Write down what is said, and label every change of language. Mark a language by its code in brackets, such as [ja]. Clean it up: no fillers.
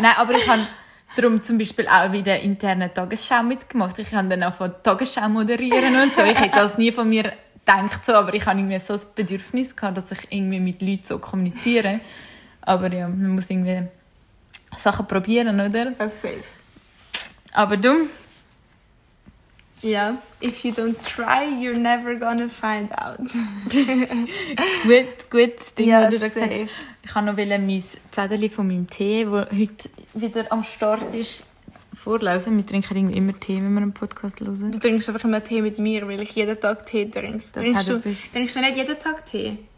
[de] Nein, aber ich habe darum zum Beispiel auch bei der internen Tagesschau mitgemacht. Ich habe dann auch von Tagesschau moderieren und so. Ich hätte das nie von mir denkt so, aber ich hatte irgendwie so ein Bedürfnis gehabt, dass ich irgendwie mit Leuten so kommuniziere. Aber ja, man muss irgendwie Sachen probieren, oder? Das ist safe. Aber du? [en] Ja, if you don't try, you're never gonna find out. [de] Gut, Ding, ja, du gesagt hast. Ich wollte noch mein Zettel von meinem Tee, der heute wieder am Start ist, vorlesen. Wir trinken irgendwie immer Tee, wenn wir einen Podcast hören. Du trinkst einfach immer Tee mit mir, weil ich jeden Tag Tee trinke. Trinkst du nicht jeden Tag Tee?